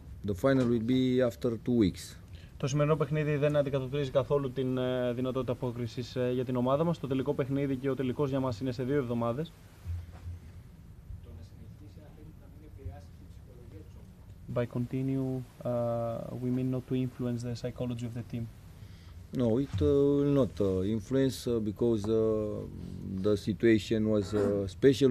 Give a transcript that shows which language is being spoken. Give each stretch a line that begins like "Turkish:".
English: The final will be after 2 weeks.
Greek: Το σημερινό παιχνίδι δεν αντικατοπτρίζει καθόλου την δυνατότητα απόκρισης για την ομάδα μας. Το τελικό παιχνίδι και ο τελικός για μας είναι σε 2 εβδομάδες.
English: By continue, we mean not to influence the psychology of the team. No, it will not influence because the situation was special.